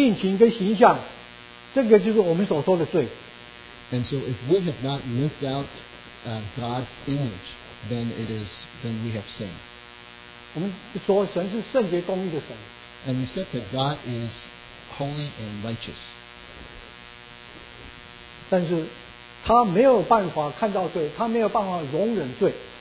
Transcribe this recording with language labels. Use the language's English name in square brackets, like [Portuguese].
[Chinese] 人的思想行为没有活出神的标准，活出神的性情跟形象，这个就是我们所说的罪。 [English] And so, if we have not lived out God's image, then we have sinned. [Chinese] 我们说神是圣洁公义的神。 [English] And we said that God is holy and righteous. [Chinese] 但是。他没有办法看到罪，他没有办法容忍罪。